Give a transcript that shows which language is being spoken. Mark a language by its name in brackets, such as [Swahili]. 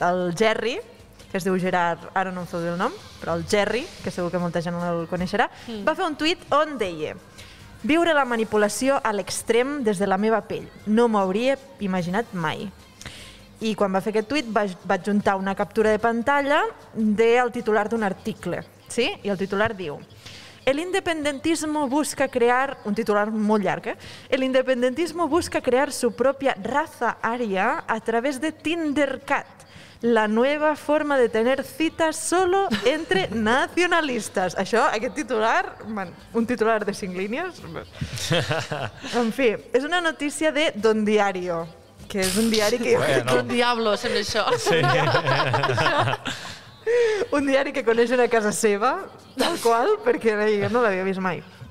[Catalan] El Jerry, que es diu Gerard, ara no em feu dir el nom, però el Jerry, que segur que molta gent el coneixerà, va fer un tuit on deia: viure la manipulació a l'extrem des de la meva pell. No m'hauria imaginat mai. I quan va fer aquest tuit va adjuntar una captura de pantalla del titular d'un article. Sí? I el titular diu... [Spanish] El independentismo busca crear, [Catalan] un titular molt llarg, [Spanish] El independentismo busca crear su propia raza aria a través de Tindercat, la nueva forma de tener citas solo entre nacionalistas. [Catalan] Això, aquest titular, un titular de 5 línies. En fi, és una notícia de Don Diario, que és un diari que... Un diablo, sembla això. Sí. Un diari que coneix una casa seva, tal qual, perquè jo no l'havia vist mai.